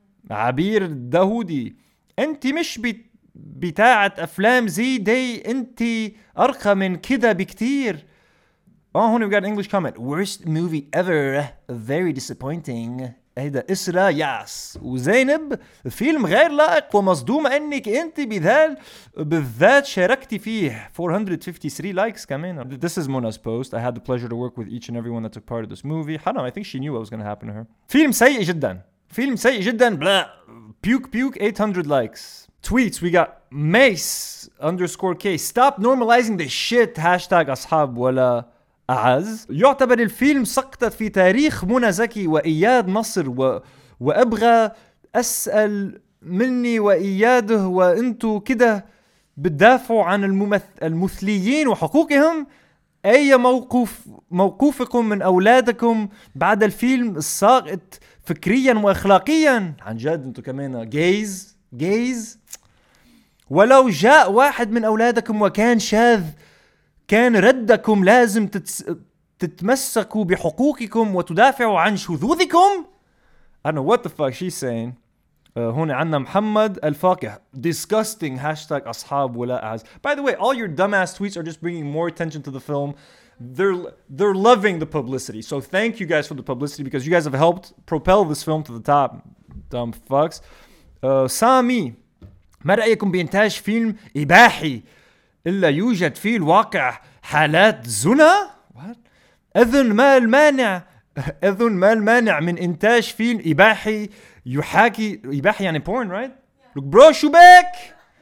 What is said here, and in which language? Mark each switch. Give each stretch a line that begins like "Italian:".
Arabic: عبير داهودي أنت مش بتاعة أفلام زي دي, أنت أرقى من كده بكتير.
English: Oh, honey, we got an English comment. Worst movie ever. Very disappointing.
Arabic: هيدا إسراء ياس وزينب. فيلم غير لائق ومصدوم أنك أنت بالذات شاركتي فيه.
English: 453 likes
Arabic: كمان.
English: This is Mona's post. I had the pleasure to work with each and everyone that took part of this movie. Haram, I think she knew what was going to happen to her.
Arabic: فيلم سيء جدا. فيلم سيء جدا.
English: Blah. Puke, 800 likes. Tweets, we got mace_k. Stop normalizing the shit.
Arabic: Hashtag أصحاب ولا... أعز. يعتبر الفيلم سقطة في تاريخ منى زكي وإياد نصر وأبغى أسأل مني وإياده وأنتو كده بتدافعوا عن المثليين وحقوقهم. أي موقفكم من أولادكم بعد الفيلم الساقط فكريا وأخلاقيا؟ عن جد أنتو كمان جايز. ولو جاء واحد من أولادكم وكان شاذ كان ردكم لازم تتمسكوا بحقوقكم وتدافعوا عن شذوذكم. أنا
English: what the fuck she's saying.
Arabic: هون عندنا محمد الفاكه
English: disgusting hashtag
Arabic: أصحاب ولا أعز.
English: By the way, all your dumbass tweets are just bringing more attention to the film. They're loving the publicity. So thank you guys for the publicity because you guys have helped propel this film to the top. Dumb fucks.
Arabic: سامي ما رأيكم بإنتاج فيلم إباحي؟ إلا يوجد في الواقع حالات زنا؟ أذن ما المانع من إنتاج فيلم إباحي يحاكي إباحي يعني
English: porn right؟
Arabic: لوك برو شو بك؟